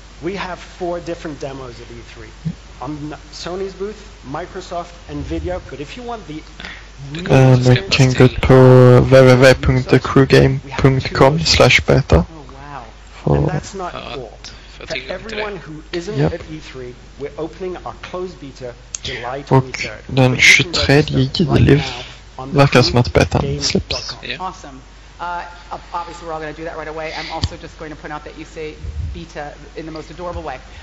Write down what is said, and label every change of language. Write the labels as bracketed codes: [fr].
[en] We have 4 different demos at E3. On Sony's booth, Microsoft, NVIDIA. But if you want the You can go to www.thecrewgame.com/beta. Oh, wow. And that's not all. For everyone who isn't at E3, we're opening our closed beta July 23rd. [sv] Den 23 juli verkar som att betan släpps. [en] Awesome. Obviously we're all going to do that right away. I'm also just going to point out that you say beta in the most adorable way.